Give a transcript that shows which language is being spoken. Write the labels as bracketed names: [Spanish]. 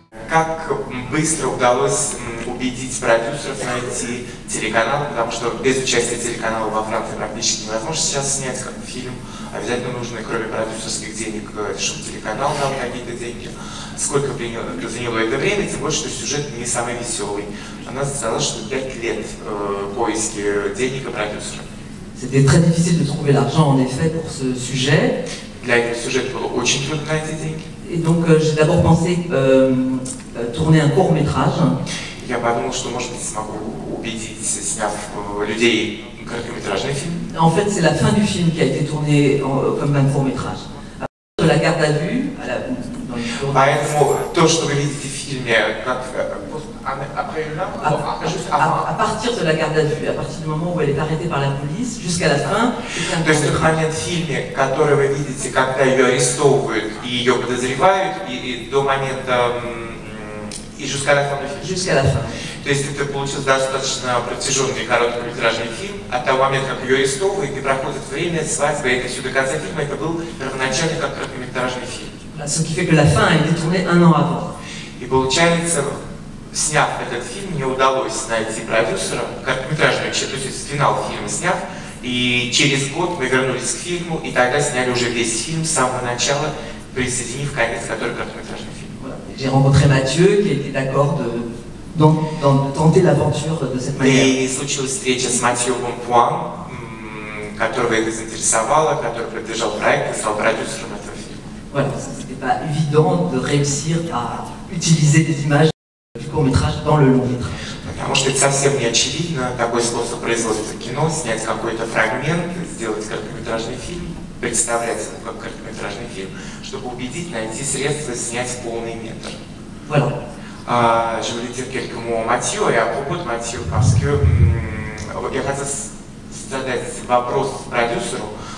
[Russian] как быстро удалось убедить продюсеров найти телеканалы, потому что без участия телеканала во Франции практически невозможно сейчас снять как фильм. Обязательно нужны, кроме продюсерских денег, чтобы телеканал дал какие-то деньги. Сколько заняло это время, тем более, что сюжет не самый веселый. Она сказала, что 5 лет поиски денег и продюсера. [French] C'était très difficile de trouver l'argent, en effet, pour ce sujet. [Russian] Для этого сюжета было очень трудно найти деньги. [French] Et donc, j'ai d'abord pensé tourner un court-métrage. [Russian] Я подумал, что, может быть, смогу убедить, сняв людей короткометражный фильм. [French] En fait, c'est la fin du film qui a été tourné comme un court-métrage. De la garde à vue à la... [Russian] Поэтому то, что вы видите в фильме, как [French] après une heure, à partir de la garde à vue, à partir du moment où elle est arrêtée par la police, jusqu'à la fin. [Russian] То есть тот момент в фильме, который вы видите, когда ее арестовывают и ее подозревают, и до момента и [French] jusqu'à la fin du film. Jusqu'à la fin. [Russian] То есть это получился достаточно протяженный короткометражный фильм, от того момента, как ее арестовывают и проходит время, свадьба, и это все до конца фильма, это был первоначальный как короткометражный фильм. [French] Ce qui fait que la fin a été tournée un an avant. [Russian] И получается, сняв этот фильм, мне удалось найти продюсера, короткометражный человек, то есть финал фильма сняв, и через год мы вернулись к фильму, и тогда сняли уже весь фильм с самого начала, присоединив конец, который короткометражный фильм. [French] Voilà. J'ai rencontré Mathieu, qui était d'accord de tenter l'aventure de cette manière. [Russian] И случилась встреча с Mathieu Bonpoint, которого это заинтересовало, который поддержал проект и стал продюсером. [French] Voilà, c'était pas évident de réussir à utiliser des images du court-métrage dans le long-métrage. [Russian] Потому что это совсем не очевидно, такой способ производства кино, снять какой-то фрагмент, сделать короткометражный фильм, представляться как короткометражный фильм, чтобы убедить найти средства снять полный метр. [French] Voilà. Je voulais dire quelques mots Mathieu, et à propos de Mathieu, parce que [Russian] я хотел задать вопрос продюсеру.